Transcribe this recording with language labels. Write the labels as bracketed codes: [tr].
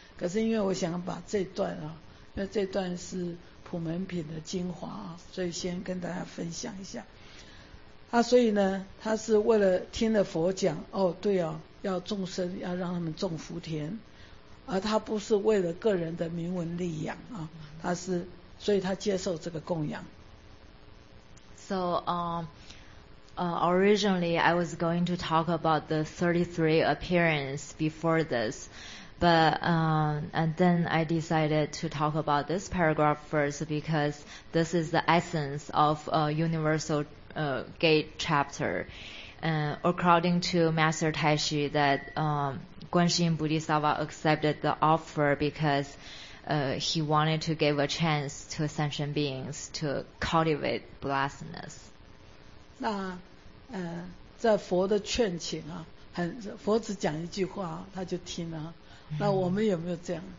[zh] 可是因为我想把这段啊，因为这段是普门品的精华啊，所以先跟大家分享一下。所以呢，他是为了听了佛讲，哦，对啊，要众生要让他们种福田，而他不是为了个人的名闻利养啊，他是，所以他接受这个供养。 [en] So, originally I was going to talk about the 33 appearance before this, but and then I decided to talk about this paragraph first because this is the essence of universal gate chapter. According to Master Taishi, that Guanxing Bodhisattva accepted the offer because he wanted to give a chance to sentient beings to cultivate blessedness. [zh] 那在佛的劝请啊，很佛只讲一句话他就听了，那我们有没有这样？